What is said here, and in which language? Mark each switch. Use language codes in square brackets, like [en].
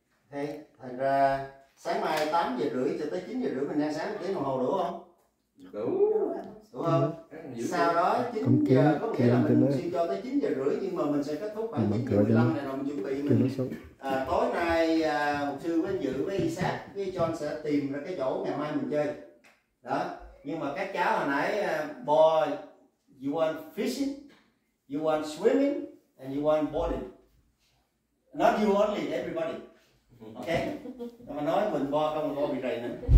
[vi] Okay. Thành ra sáng mai 8:30 cho tới 9:30 mình ăn sáng một tiếng đồng hồ, đủ không? Đủ không? Ừ. Sau đó 9:00 có nghĩa là mình xin cho tới 9:30, nhưng mà mình sẽ kết thúc khoảng 9:15 này, rồi mình chuẩn bị mình tối nay một sư với Dự với Isaac với John sẽ tìm ra cái chỗ ngày mai mình chơi đó. Nhưng mà các cháu hồi nãy [en] boy, you want fishing, you want swimming and you want boarding, not you only, everybody. [vi] Ok, mà nói mình bo không, mình bo bị rầy nữa.